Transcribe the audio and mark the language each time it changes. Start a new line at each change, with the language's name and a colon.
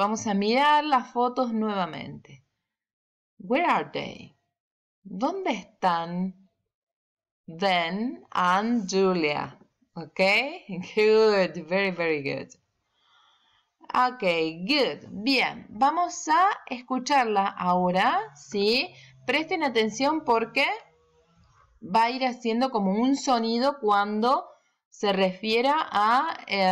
Spanish: Vamos a mirar las fotos nuevamente.
English: Where are they?
Spanish: ¿Dónde están Ben and Julia?
English: Okay, good, very, very good. Okay, good, bien.
Spanish: Vamos a escucharla ahora, ¿sí? Presten atención porque va a ir haciendo como un sonido cuando se refiera a